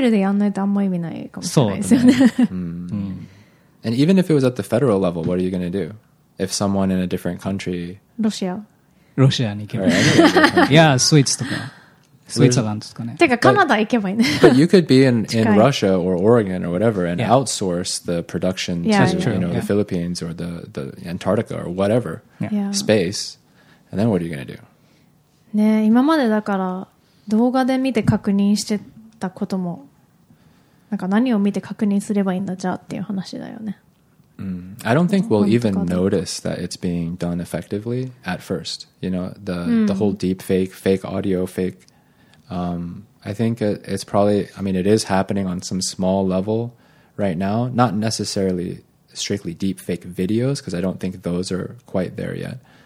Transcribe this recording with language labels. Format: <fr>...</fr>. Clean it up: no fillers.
<ja>だからなんだ、オレゴンとかに移動して、ネバダとかに移動すれば大丈夫みたいな。フェデラルレベルでやんないとあんま意味ないかもしれないですよね。</ja> <en>And even if it was at the federal level, what are you going to do if someone in a different country?</en> <ja>ロシアに行けば。 Yeah, スイーツとか。</ja> <en>But you could be in Russia or Oregon or whatever and outsource the production to the Philippines or the Antarctica or whatever space. And then what are you going to do?</en> <ja>ね、今までだから動画で見て確認してたことも、なんか何を見て確認すればいいんだじゃあっていう話だよね。</ja> <en>I don't think we'll even notice that it's being done effectively at first. You know, the whole deep fake audio, fake. I think it's probably, I mean, it is happening on some small level right now, not necessarily strictly deep fake videos, because I don't think those are quite there yet.</en>